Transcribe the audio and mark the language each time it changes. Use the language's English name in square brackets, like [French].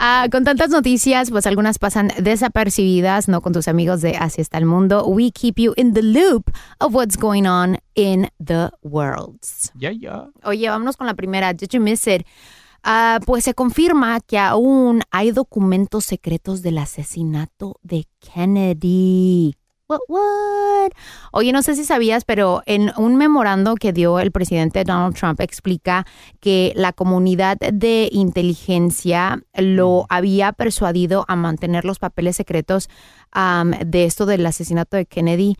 [Spanish] Con tantas noticias, pues algunas pasan desapercibidas, ¿no? Con tus amigos de Así Está el Mundo. [English] We keep you in the loop of what's going on in the world. Yeah, yeah. [Spanish] Oye, vámonos con la primera. [English] Did you miss it? [Spanish] Pues se confirma que aún hay documentos secretos del asesinato de Kennedy. What? Oye, no sé si sabías, pero en un memorando que dio el presidente Donald Trump explica que la comunidad de inteligencia lo había persuadido a mantener los papeles secretos de esto del asesinato de Kennedy.